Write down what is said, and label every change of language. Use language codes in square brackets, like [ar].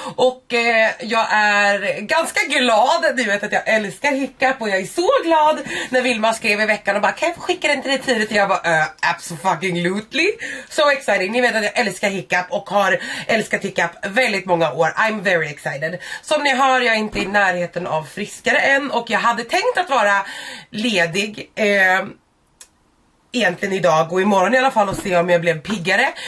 [sv] Och jag är ganska glad, ni vet att jag älskar Hiccup. Och jag är så glad när Vilma skrev i veckan och bara, kan jag skicka den till dig tidigt? Och jag bara, [en] absolutely. So exciting, [sv] ni vet att jag älskar Hiccup och har älskat Hiccup väldigt många år. [en] I'm very excited. [sv] Som ni hör, jag är inte i närheten av friskare än. Och jag hade tänkt att vara ledig egentligen idag och imorgon i alla fall och se om jag blev piggare.